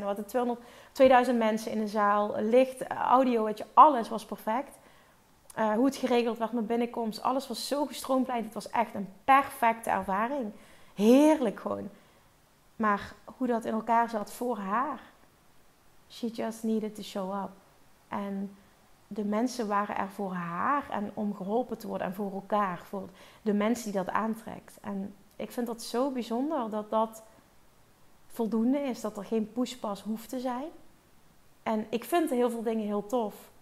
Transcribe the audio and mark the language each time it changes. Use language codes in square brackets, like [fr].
[nl] We hadden 2000 mensen in de zaal, licht, audio, weet je, alles was perfect. Hoe het geregeld werd met binnenkomst. Alles was zo gestroomlijnd. Het was echt een perfecte ervaring. Heerlijk gewoon. Maar hoe dat in elkaar zat voor haar. [en] She just needed to show up. [nl] En de mensen waren er voor haar. En om geholpen te worden. En voor elkaar. Voor de mensen die dat aantrekt. En ik vind dat zo bijzonder. Dat dat voldoende is. Dat er geen pushpas hoeft te zijn. En ik vind heel veel dingen heel tof.